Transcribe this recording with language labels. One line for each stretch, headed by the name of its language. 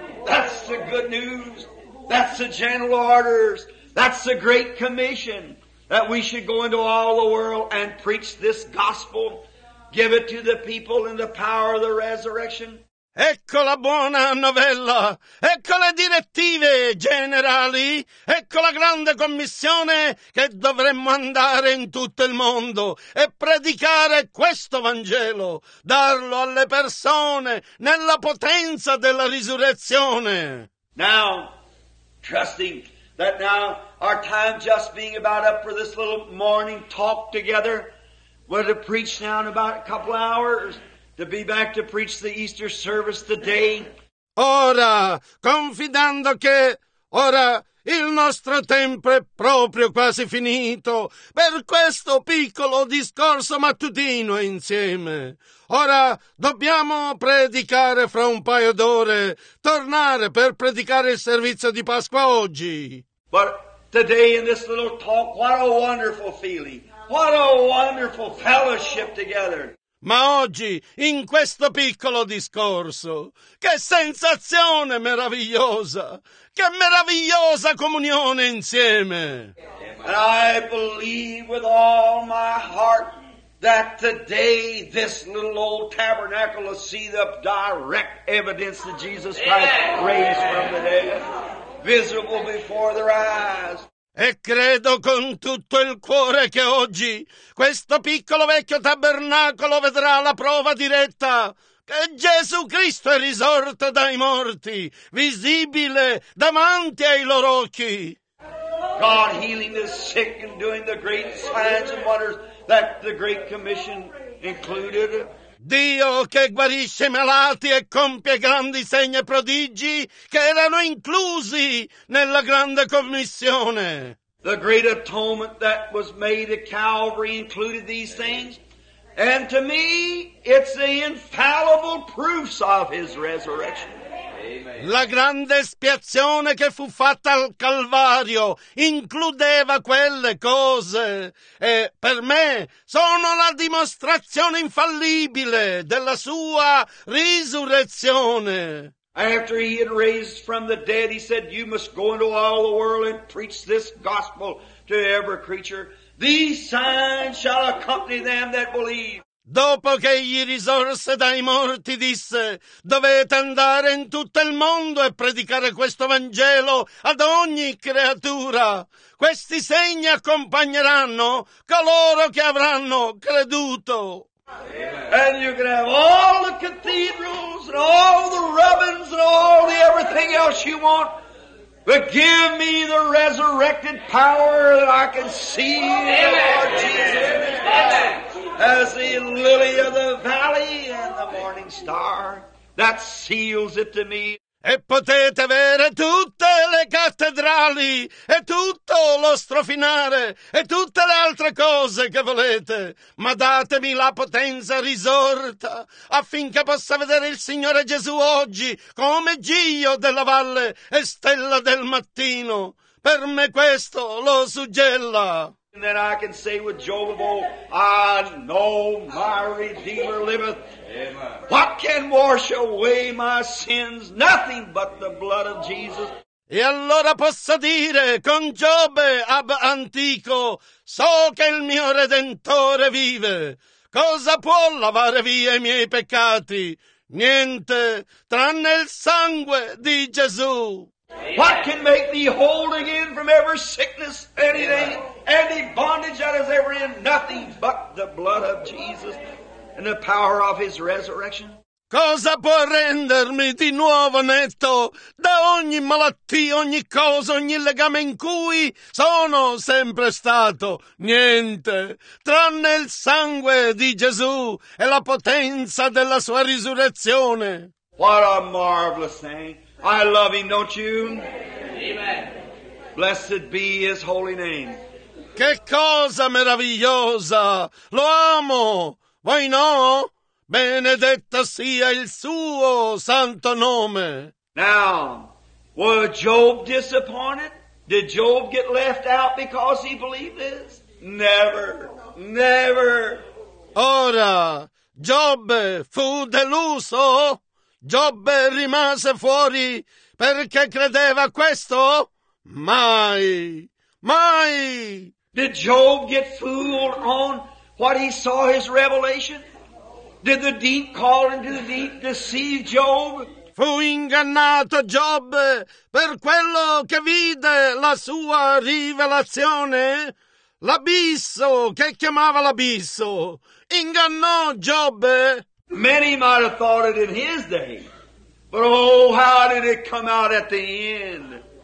English: That's the good news. That's the general orders. That's the great commission. That we should go into all the world and preach this gospel, give it to the people in the power of the resurrection.
Italian: Ecco la buona novella, ecco le direttive generali, ecco la grande commissione che dovremmo andare in tutto il mondo e predicare questo Vangelo, darlo alle persone nella potenza della risurrezione.
English: Now, trusting that now our time just being about up for this little morning talk together. We're to preach now in about a couple hours to be back to preach the Easter service today.
Italian: Ora, confidando che ora il nostro tempo è proprio quasi finito per questo piccolo discorso mattutino insieme. Ora dobbiamo predicare fra un paio d'ore, tornare per predicare il servizio di Pasqua oggi.
English: But today in this little talk, what a wonderful feeling. What a wonderful fellowship together.
Italian: Ma oggi, in questo piccolo discorso, che sensazione meravigliosa. Che meravigliosa comunione insieme.
English: And I believe with all my heart that today this little old tabernacle will see the direct evidence that Jesus Christ raised from the dead. Visible before their eyes.
Italian: E credo con tutto il cuore che oggi questo piccolo vecchio tabernacolo vedrà la prova diretta che Gesù Cristo è risorto dai morti, visibile davanti ai loro occhi.
English: God healing the sick and doing the great signs and wonders that the Great Commission included.
Italian: Dio che guarisce i malati e compie grandi segni e prodigi che erano inclusi nella grande commissione.
English: The great atonement that was made at Calvary included these things. And to me, it's the infallible proofs of his resurrection.
Italian: La grande espiazione che fu fatta al Calvario includeva quelle cose e per me sono la dimostrazione infallibile della sua risurrezione.
English: After he had raised from the dead, he said, you must go into all the world and preach this gospel to every creature. These signs shall accompany them that believe.
Italian: Dopo che egli risorse dai morti, disse, dovete andare in tutto il mondo e predicare questo Vangelo ad ogni creatura. Questi segni accompagneranno coloro che avranno creduto.
English: And you can have all the cathedrals and all the ribbons and all the everything else you want. But give me the resurrected power that I can see the Lord Jesus as the lily of the valley and the morning star. That seals it to me.
Italian: E potete avere tutte le cattedrali, e tutto lo strofinare, e tutte le altre cose che volete, ma datemi la potenza risorta, affinché possa vedere il Signore Gesù oggi come Giglio della valle e stella del mattino. Per me questo lo suggella.
English: And then I can say with Job of old, I know my Redeemer liveth. Amen. What can wash away my sins? Nothing but the blood of Jesus.
Italian: E allora posso dire con Giobbe ab antico, so che il mio Redentore vive. Cosa può lavare via i miei peccati? Niente, tranne il sangue di Gesù.
English: What can make me whole again from every sickness, anything, any bondage that is ever in? Nothing but the blood of Jesus and the power of his resurrection.
Italian: Cosa può rendermi di nuovo netto da ogni malattia, ogni cosa, ogni legame in cui sono sempre stato? Niente, tranne il sangue di Gesù e la potenza della sua risurrezione.
English: What a marvelous thing. I love him, don't you? Amen. Blessed be his holy name.
Italian: Che cosa meravigliosa! Lo amo! Voi no? Benedetto sia il suo santo nome!
English: Now, was Job disappointed? Did Job get left out because he believed this? Never! Never!
Italian: Ora, Giobbe fu deluso? Giobbe rimase fuori perché credeva questo? Mai! Mai!
English: Did Job get fooled on what he saw his revelation? Did the deep call into the deep deceive Job?
Italian: Fu ingannato Giobbe per quello che vide la sua rivelazione? L'abisso che chiamava l'abisso ingannò Giobbe?
English: Many might have thought it in his day, but oh, how did it come out at the end?